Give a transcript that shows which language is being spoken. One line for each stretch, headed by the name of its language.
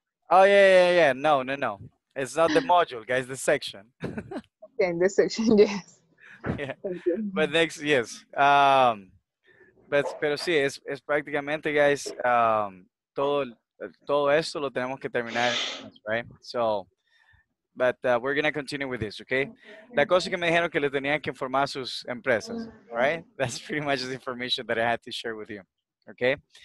English: Oh, yeah. No. It's not the module, guys, the section. Okay, the section, yes. Yeah. But next, yes.
Spanish: Pero sí, es prácticamente, guys, todo esto lo tenemos que terminar,
English: right? So, but we're going to continue with this, okay?
Spanish: La cosa que me dijeron que le tenían que informar sus empresas,
English: all right? That's pretty much the information that I had to share with you, okay?